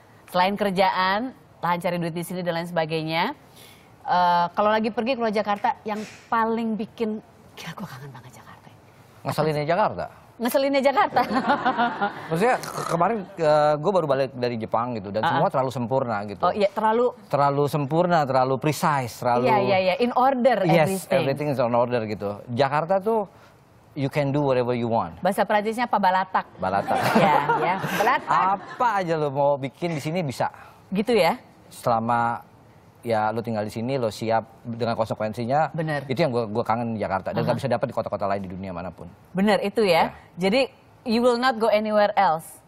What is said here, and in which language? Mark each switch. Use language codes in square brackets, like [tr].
[id] Selain kerjaan, lahan cari duit di sini dan lain sebagainya. Kalau lagi pergi ke Jakarta, yang paling bikin, gila gue kangen banget Jakarta. Ngeselinnya Jakarta? Ngeselinnya Jakarta. Maksudnya kemarin gue baru balik dari Jepang gitu, dan semua terlalu sempurna gitu. Oh iya, terlalu? Terlalu sempurna, terlalu precise, terlalu... [en] Iya, in order everything. Yes, everything is on order gitu. Jakarta tuh... You can do whatever you want. [id] Bahasa Prancisnya apa? Balatak. Balatak. Iya, ya. Balatak. Apa aja lo mau bikin di sini bisa. Gitu ya? Selama ya lo tinggal di sini, lo siap dengan konsekuensinya. Bener. Itu yang gue kangen di Jakarta. Dan gak bisa dapat di kota-kota lain di dunia manapun. Bener, itu ya? [en] Jadi you will not go anywhere else.